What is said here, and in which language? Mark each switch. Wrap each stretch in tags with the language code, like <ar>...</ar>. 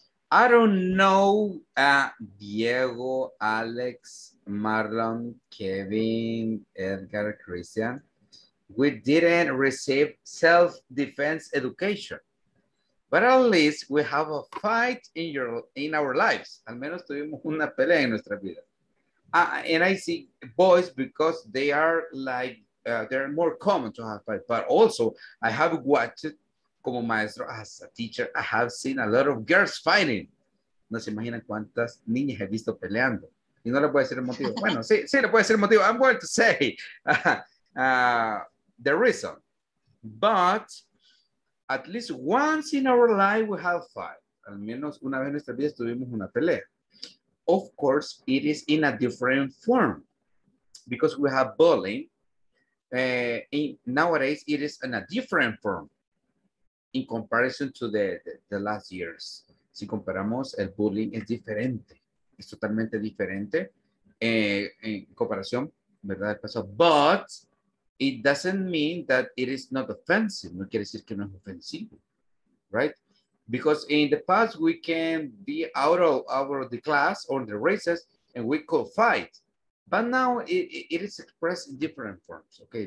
<en>I don't know Diego, Alex, Marlon, Kevin, Edgar, Christian. We didn't receive self-defense education, but at least we have a fight in our lives.</en> <es>Al menos tuvimos una pelea en nuestra vida.</es> <en>And I see boys because they are like, they're more common to have fights. But also I have watched</en> <es>como maestro,</es> <en>as a teacher, I have seen a lot of girls fighting.</en> <es>No se imaginan cuántas niñas he visto peleando. Y no le puede ser el motivo. Bueno, sí, le puede ser el motivo.</es> <en>I'm going to say the reason. But at least once in our life we have fight.</en> <es>Al menos una vez en nuestra vida tuvimos una pelea.</es> <en>Of course, it is in a different form. Because we have bullying. Nowadays, it is in a different form in comparison to the last years.</en> <es>Si comparamos, el bullying es diferente. Es totalmente diferente en comparación, ¿verdad?</es> <en>But it doesn't mean that it is not offensive.</en> <es>No quiere decir que no es ofensivo, right?</es> <en>Because in the past, we can be out of the class or the races and we could fight. But now it is expressed in different forms, okay?</en>